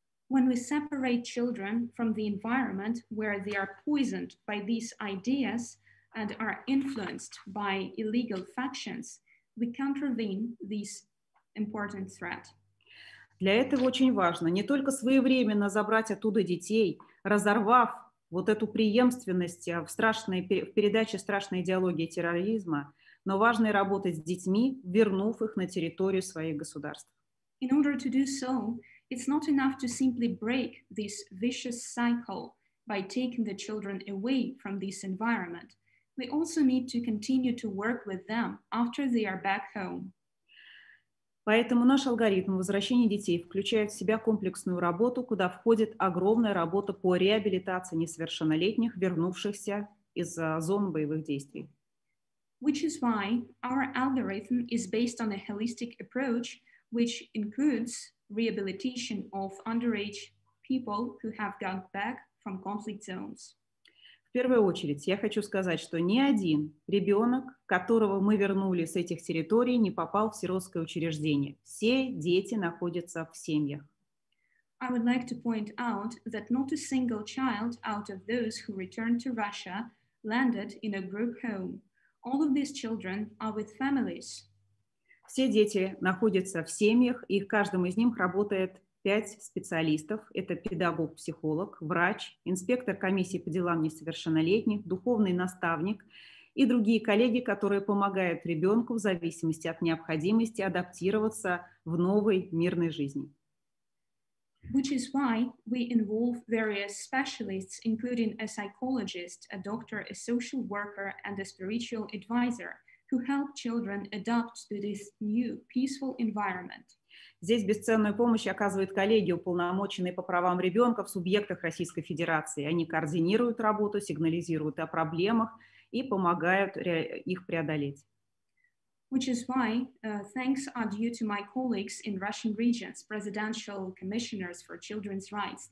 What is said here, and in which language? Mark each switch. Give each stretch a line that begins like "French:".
English: When we separate children from the environment where they are poisoned by these ideas and are influenced by illegal factions, we countervene this important threat.
Russian: Для этого очень важно не только своевременно забрать оттуда детей, разорвав вот эту преемственность в страшной в передаче страшной идеологии терроризма, но важно и работать с детьми, вернув их на территорию своих государств.
English: In order to do so, it's not enough to simply break this vicious cycle by taking the children away from this environment. We also need to continue to work with them after they are back home.
Russian: Поэтому наш алгоритм возвращения детей включает в себя комплексную работу, куда входит огромная работа по реабилитации несовершеннолетних, вернувшихся из зон боевых действий.
English: Which is why our algorithm is based on a holistic approach, which includes rehabilitation of underage people who have gone back from conflict zones.
Russian: В первую очередь, я хочу сказать, что ни один ребенок, которого мы вернули с этих территорий, не попал в сиротское учреждение. Все дети находятся в семьях.
English: I would like to point out that not a single child out of those who returned to Russia landed in a group home. All of these children are with families.
Russian: Все дети находятся в семьях, и в каждом из них работает 5 специалистов. Это педагог-психолог, врач, инспектор комиссии по делам несовершеннолетних, духовный наставник и другие коллеги, которые помогают ребенку в зависимости от необходимости адаптироваться в новой мирной жизни.
English: Which is why we involve various specialists, including a psychologist, a doctor, a social worker, and a spiritual advisor, who help children adapt to this new peaceful environment.
Russian: Здесь бесценную помощь оказывают коллеги, уполномоченные по правам ребенка в субъектах Российской Федерации. Они координируют работу, сигнализируют о проблемах и помогают их преодолеть.
English: Which is why thanks are due to my colleagues in Russian regions, presidential commissioners for children's rights.